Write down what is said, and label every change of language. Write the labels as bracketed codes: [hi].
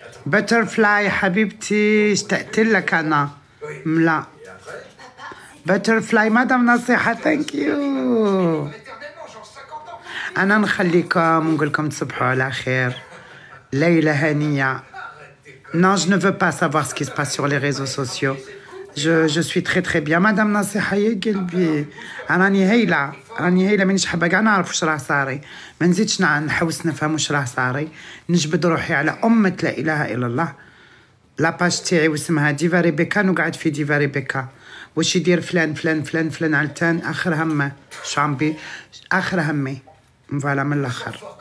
[ar] Butterfly حبيبتي اشتقتل لك أنا. لا Butterfly مدام نصيحة thank you. أنا نخليكم ونقولكم تصبحوا على خير، ليلة هنية. [fr] Non je ne veux pas savoir ce qui se passe sur les réseaux sociaux. Je suis très très bien مدام نصيحة [ar] يا قلبي. أنا نهيلة منش حابة قاع نعرف وش راه صاري، ما نزيدش نحوس نفهم وش راه صاري. نجبد روحي على أمة لا إله إلا الله. لاباج تاعي واسمها ديفا ريبيكا، نقعد في ديفا ريبيكا. واش يدير فلان فلان فلان فلان علتان آخر همه شامبي آخر همي فوالا من الآخر.